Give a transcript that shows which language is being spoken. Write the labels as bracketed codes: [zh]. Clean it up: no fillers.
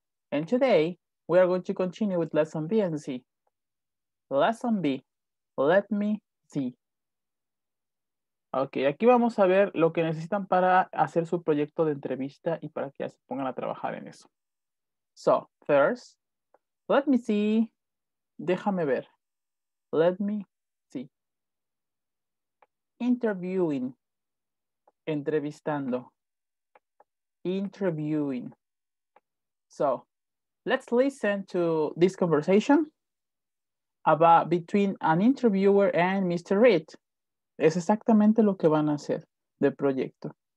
[en] And today, we are going to continue with lesson B and C. Lesson B, let me see. [es] Okay, aquí vamos a ver lo que necesitan para hacer su proyecto de entrevista y para que ya se pongan a trabajar en eso. [en] So, first, let me see. [es] Déjame ver. [en] Let me see. Interviewing. [es] Entrevistando. [en] Interviewing. So, let's listen to this conversation about between an interviewer and Mr. Reed. [es] Es exactamente lo que van a hacer de proyecto.